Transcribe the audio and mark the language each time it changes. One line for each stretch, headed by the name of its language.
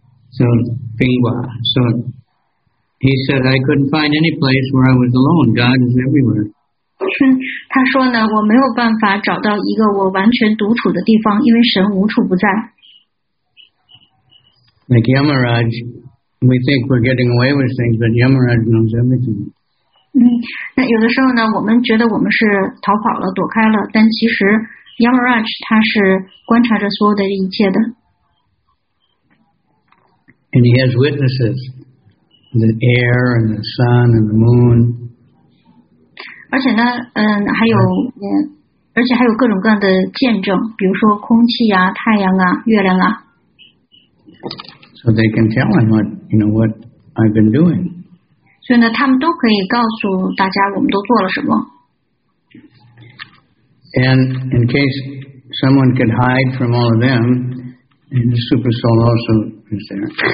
English: So,
Chinese: 苹果。
English: So, he said, I couldn't find any place where I was alone. God is everywhere.
Chinese: 他说呢，我没有办法找到一个我完全独处的地方，因为神无处不在。
English: Like Yamaraj, we think we're getting away with things, but Yamaraj knows everything.
Chinese: 嗯，那有的时候呢，我们觉得我们是逃跑了、躲开了，但其实 Yamaraj 他是观察着所有的一切的。
English: And he has witnesses, the air and the sun and the moon.
Chinese: 而且呢，还有而且还有各种各样的见证，比如说空气啊、太阳啊、月亮啊。
English: So they can tell him what, you know, what I've been doing.
Chinese: 所以呢，他们都可以告诉大家我们都做了什么。
English: And in case someone could hide from all of them, and the super soul also is there.